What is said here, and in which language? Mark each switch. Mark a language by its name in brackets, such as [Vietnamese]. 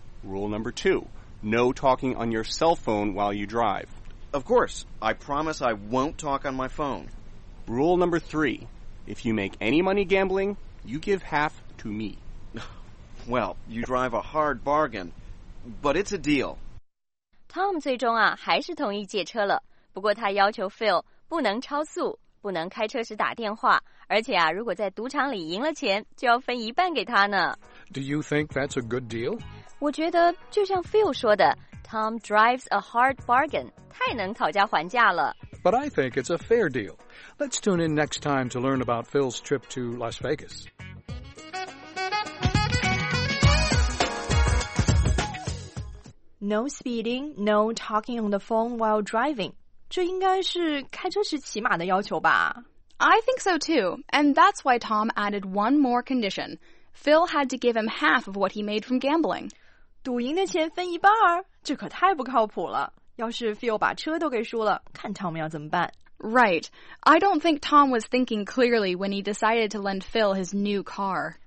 [English] Rule number two, no talking on your cell phone while you drive. Of course. I promise I won't talk on my phone. Rule number three, if you make any money gambling, you give half to me. Well, you drive a hard bargain, but it's a deal. [Chinese] Tom 最终啊还是同意借车了，不过他要求 Phil 不能超速，不能开车时打电话，而且啊，如果在赌场里赢了钱，就要分一半给他呢。 [English] Do you think that's a good deal? [Chinese] 我觉得就像 Phil 说的 ， [English] Tom drives a hard bargain， [Chinese] 太能讨价还价了。 [English] But I think it's a fair deal. Let's tune in next time to learn about Phil's trip to Las Vegas. No speeding, no talking on the phone while driving. [Chinese] 这应该是开车时起码的要求吧。 [English] I think so too, and that's why Tom added one more condition. Phil had to give him half of what he made from gambling. [Chinese] 赌赢的钱分一半？这可太不靠谱了。要是 Phil 把车都给输了，看 Tom 要怎么办。 [English] Right. I don't think Tom was thinking clearly when he decided to lend Phil his new car.